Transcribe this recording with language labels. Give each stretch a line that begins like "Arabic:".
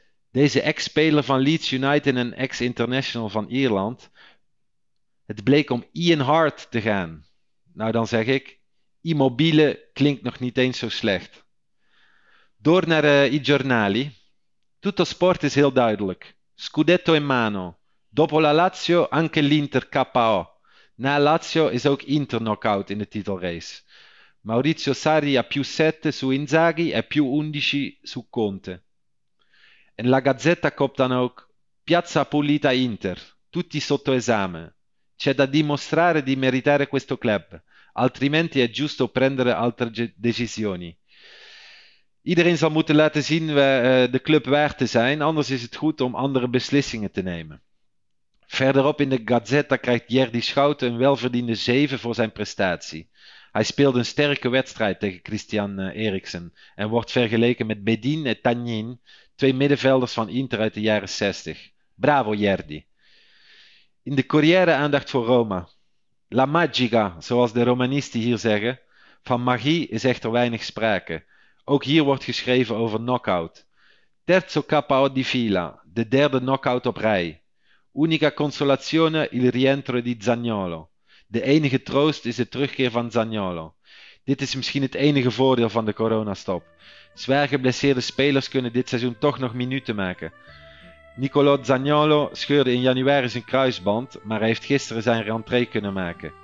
Dutch: Deze ex-speler van Leeds United en ex-international van Ierland. Het bleek om Ian Hart te gaan. Nou dan zeg ik, Immobile klinkt nog niet eens zo slecht. Door naar I Giornali. Tutto sport is heel duidelijk.
Italian: Scudetto in mano. Dopo la Lazio, anche l'Inter KO.
Dutch: Na Lazio is ook Inter knockout in de titelrace.
Italian: Maurizio Sarri ha più 7 su Inzaghi e più 11 su Conte.
Dutch: En La Gazzetta kopt dan ook
Italian: Piazza Pulita Inter. Tutti sotto esame. C'è da dimostrare di meritare questo club. Altrimenti è giusto prendere altre decisioni.
Dutch: Iedereen zal moeten laten zien de club waar te zijn, anders is het goed om andere beslissingen te nemen. Verderop in de Gazzetta krijgt Jerdy Schouten een welverdiende 7 voor zijn prestatie. Hij speelde een sterke wedstrijd tegen Christian Eriksen en wordt vergeleken met Bedin en Tagnin, twee middenvelders van Inter uit de jaren 60. Bravo Jerdy! In de Corriere aandacht voor Roma. La magica, zoals de Romanisten hier zeggen, van magie is echter weinig sprake. Ook hier wordt geschreven over knockout.
Italian: Terzo KO di fila,
Dutch: de derde knockout op rij.
Italian: Unica consolazione il rientro di Zaniolo.
Dutch: De enige troost is de terugkeer van Zaniolo. Dit is misschien het enige voordeel van de coronastop. Zwaar geblesseerde spelers kunnen dit seizoen toch nog minuten maken. Nicolò Zaniolo scheurde in januari zijn kruisband, maar hij heeft gisteren zijn rentree kunnen maken.